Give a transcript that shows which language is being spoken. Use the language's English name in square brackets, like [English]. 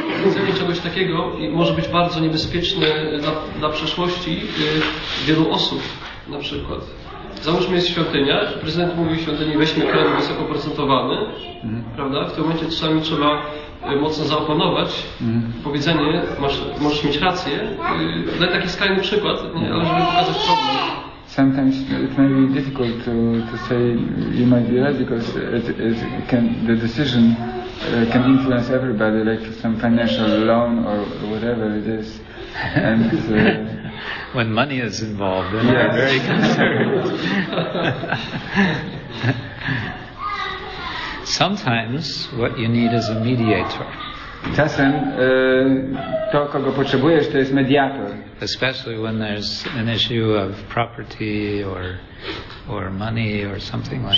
[Polish] Chcenie czegoś takiego może być bardzo niebezpieczne dla przeszłości wielu osób, na przykład. Załóżmy, jest świątynia, prezydent mówi w świątyni, weźmy kredyt wysoko procentowany, prawda? W tym momencie czasami trzeba mocno zaoponować powiedzenie, możesz mieć rację. Daj taki skrajny przykład, ale żeby pokazać problem. [English] Sometimes it may be difficult to say you might be right, because the decision can influence everybody, like some financial loan or whatever it is. And when money is involved, then you're very concerned. Sometimes what you need is a mediator. [Polish] Czasem to, kogo potrzebujesz, to jest mediator. [English] Especially when there's an issue of property or money or something like that.